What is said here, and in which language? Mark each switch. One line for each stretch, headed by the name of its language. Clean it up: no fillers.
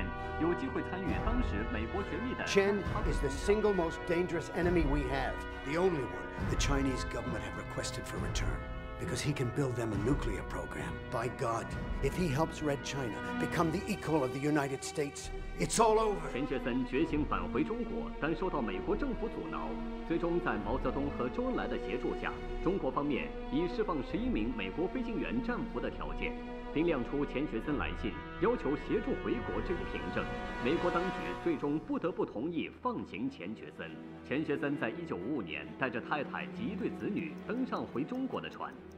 Chinese: 中国航天之父之称的著名科学家钱学森，昨天早上在北京逝世，享年98岁。钱学森1911年出生，浙江杭州人。他最先在上海交通大学机械工程系攻读，上世纪30年代留学美国，在加州理工学院从事火箭研究。钱学森在二次世界大战期间，有机会参与当时美国绝密的
English: Qian is the single most dangerous enemy we have. The only one the Chinese government have requested for return. Because he can build them a nuclear program. By God, if he helps Red China become the equal of the United States, it's all over.
Chinese: 钱学森决心返回中国，但受到美国政府阻挠。最终，在毛泽东和周恩来的协助下，中国方面以释放11名美国飞行员战俘的条件，并亮出钱学森来信，要求协助回国这一凭证。美国当局最终不得不同意放行钱学森。钱学森在1955年带着太太及一对子女登上回中国的船。